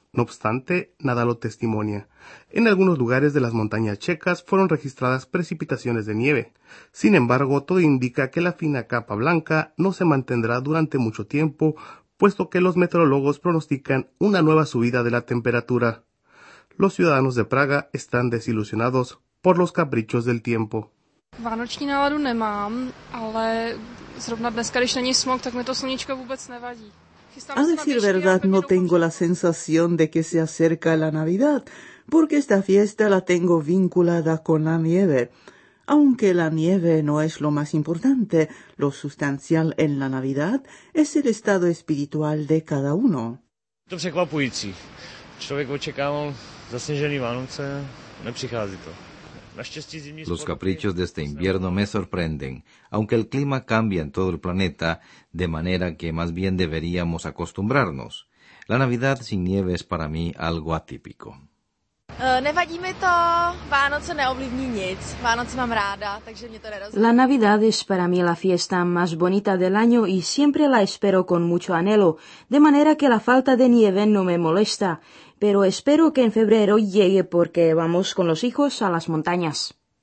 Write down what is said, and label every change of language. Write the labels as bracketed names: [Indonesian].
[Spanish] No obstante, nada lo testimonia. En algunos lugares de las montañas checas fueron registradas precipitaciones de nieve. Sin embargo, todo indica que la fina capa blanca no se mantendrá durante mucho tiempo, puesto que los meteorólogos pronostican una nueva subida de la temperatura. Los ciudadanos de Praga están desilusionados por los caprichos del tiempo. [Czech] Vánoční náladu nemám, ale zrovna dneska, když není smog, tak mi to sluníčko vůbec nevadí. [Spanish] A decir verdad, no tengo la sensación de que se acerca la Navidad, porque esta fiesta la tengo vinculada con la nieve. Aunque la nieve no es lo más importante, lo sustancial en la Navidad es el estado espiritual de cada uno. [Czech] To překvapující. Člověk očekával zasněžený Vánoce, nepřichází to. [Spanish] Los caprichos de este invierno me sorprenden, aunque el clima cambia en todo el planeta, de manera que más bien deberíamos acostumbrarnos. La Navidad sin nieve es para mí algo atípico. La Navidad es para mí la fiesta más bonita del año y siempre la espero con mucho anhelo, de manera que la falta de nieve no me molesta, pero espero que en febrero llegue porque vamos con los hijos a las montañas.